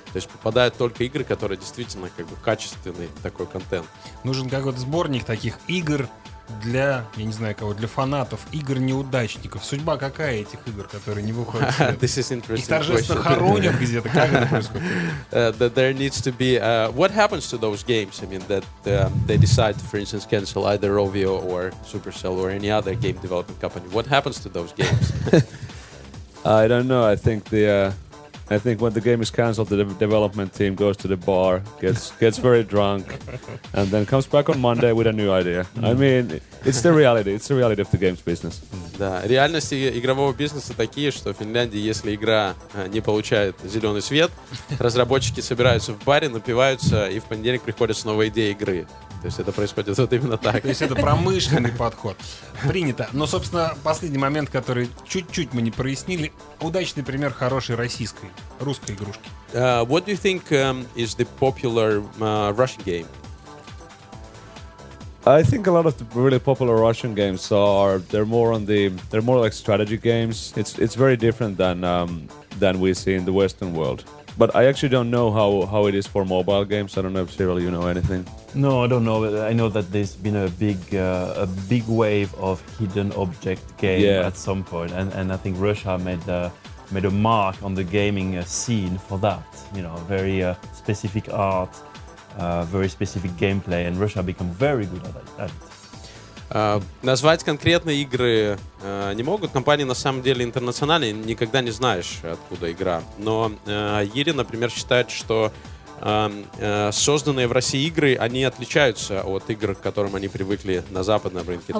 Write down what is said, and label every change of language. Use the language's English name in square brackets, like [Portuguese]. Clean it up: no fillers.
[Russian] То есть попадают только игры, которые действительно как бы качественный такой контент. Нужен какой-то сборник таких игр для, я не знаю кого, для фанатов, игр-неудачников. Судьба какая этих игр, которые не выходят в свет? Их торжественно хоронят где-то. Как это происходит? [English] There needs to be... What happens to those games? I mean, that they decide to, for instance, cancel either Rovio or Supercell or any other game development company. What happens to those games? I don't know. I think the I think when the game is canceled, the development team goes to the bar, gets very drunk, and then comes back on Monday with a new idea. Mm-hmm. I mean, it's the reality. It's the reality of the games business. [Russian] Да, реальности игрового бизнеса такие, что в Финляндии, если игра не получает зеленый свет, разработчики собираются в баре, напиваются, и в понедельник приходят с новой идеей игры. То есть это происходит вот именно так. То есть это промышленный подход. Принято. Но, собственно, последний момент, который чуть-чуть мы не прояснили. Удачный пример хорошей российской, русской игрушки. [English] What do you think is the popular Russian game? I think a lot of the really popular Russian games are, they're more like strategy games. It's very different than we see in the Western world. But I actually don't know how it is for mobile games. I don't know if Cyril, you know anything. No, I don't know. I know that there's been a big wave of hidden object game at some point, and I think Russia made a mark on the gaming scene for that. You know, very specific art, very specific gameplay, and Russia become very good at it. [Russian] Назвать конкретные игры не могут. Компании на самом деле интернациональные, никогда не знаешь, откуда игра. Но Ири, например, считает, что созданные в России игры, они отличаются от игр, к которым они привыкли на западном рынке.